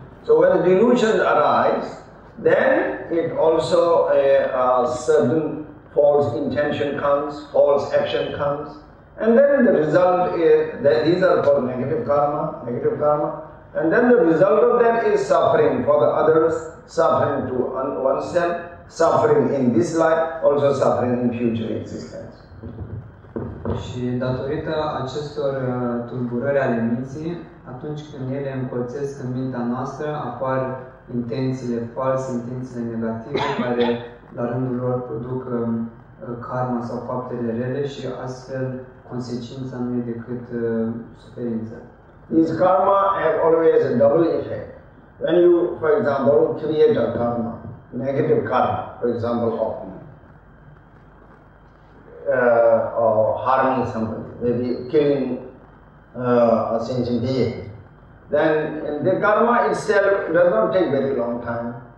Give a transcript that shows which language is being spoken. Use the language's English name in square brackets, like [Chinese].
[English] So when delusions arise, then it also a certain false intention comes, false action comes, and then the result is that these are called negative karma. And then the result of that is suffering for the others, suffering to oneself, suffering in this life, also suffering in future existence. [Romanian] Și datorită acestor tulburări ale minții, atunci când ele încolțesc în mintea noastră, apar intențiile false, intențiile negative, care la rândul lor produc karma sau faptele rele și astfel consecința nu e decât suferință. [English] This karma have always a double effect. When you, for example, create a karma, negative karma, for example, of harming somebody, maybe killing a sentient being, then the karma itself does not take very long time.